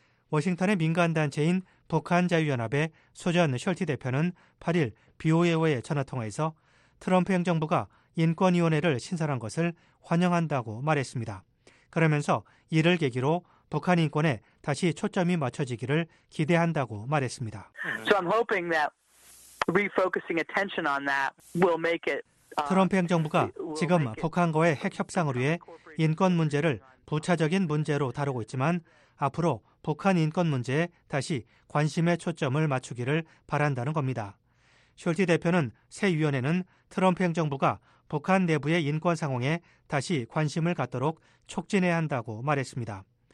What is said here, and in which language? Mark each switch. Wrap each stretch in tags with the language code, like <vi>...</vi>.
<ko>워싱턴의 민간단체인 북한자유연합의 소전 숄티 대표는 8일 BOA와의 전화통화에서 트럼프 행정부가 인권위원회를 신설한 것을 환영한다고 말했습니다. 그러면서 이를 계기로 북한 인권에 다시 초점이 맞춰지기를 기대한다고 말했습니다.</ko> <en>So I'm hoping that refocusing attention on that will make it</en> <ko>트럼프 행정부가 지금 북한과의 핵 협상을 위해 인권 문제를 부차적인 문제로 다루고 있지만 앞으로 북한 인권 문제에 다시 관심의 초점을 맞추기를 바란다는 겁니다. 숄티 대표는 새 위원회는 트럼프 행정부가 북한 내부의 인권 상황에 다시 관심을 갖도록 촉진해야 한다고 말했습니다.</ko>